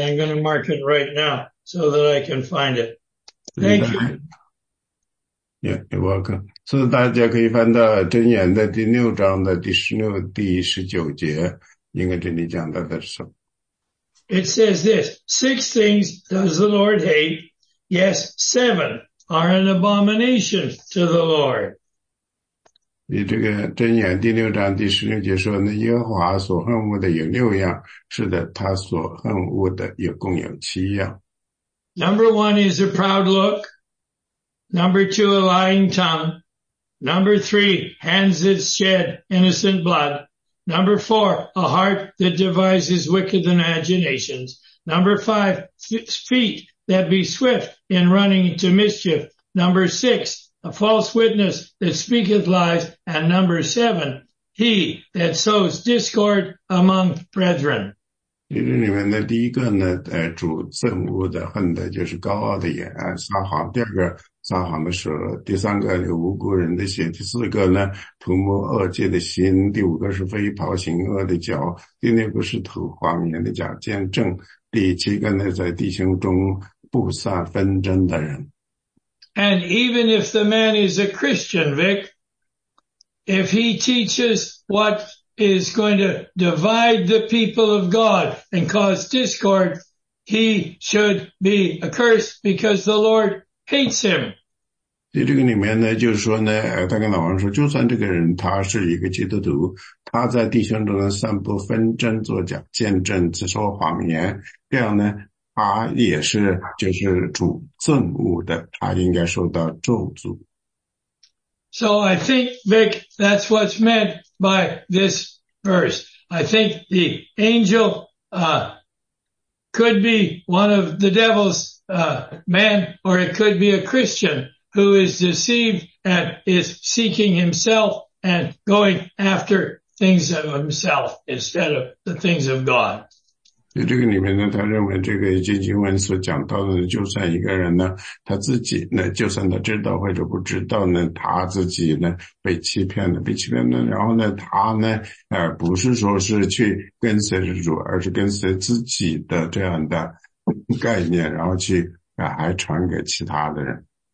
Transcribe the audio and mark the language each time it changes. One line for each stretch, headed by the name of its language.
English: I'm going to mark it right now so that I can find it. Thank you. Yeah, you're welcome. So
Chinese: 大家可以翻到箴言的第六章的第十六、第十九节，应该这里讲到的是。
English: It says this, six things does the Lord hate. Yes, seven are an abomination to the Lord.
Chinese: 你这个箴言第六章第十六节说，那耶和华所恨恶的有六样，是的，他所恨恶的有共有七样。
English: Number one is a proud look. Number two, a lying tongue. Number three, hands that shed innocent blood. Number four, a heart that devises wicked imaginations. Number five, feet that be swift in running to mischief. Number six, a false witness that speaketh lies, and number seven, he that sows discord among brethren.
Chinese: 这里面的第一个呢，主憎恶的恨的就是高傲的眼，撒谎；第二个撒谎的舌；第三个流无辜人的血；第四个呢，图谋恶计的心；第五个是飞袍行恶的脚；第六个是吐谎言的假见证；第七个呢，在弟兄中不散纷争的人。
English: And even if the man is a Christian, Vic, if he teaches what is going to divide the people of God and cause discord, he should be accursed because the Lord hates him.
Chinese: 在这个里面呢，就是说呢，他跟老王说，就算这个人他是一个基督徒，他在弟兄中散布纷争、作假见证、自说谎言，这样呢，他也是就是主憎恶的，他应该受到咒诅。
English: So I think, Vic, that's what's meant by this verse. I think the angel, could be one of the devil's, man, or it could be a Christian who is deceived and is seeking himself and going after things of himself instead of the things of God.
Chinese: 在这个里面呢，他认为这个经文所讲到的，就算一个人呢，他自己呢，就算他知道或者不知道呢，他自己呢被欺骗了，被欺骗了，然后呢，他呢，不是说是去跟随主，而是跟随自己的这样的概念，然后去还传给其他的人。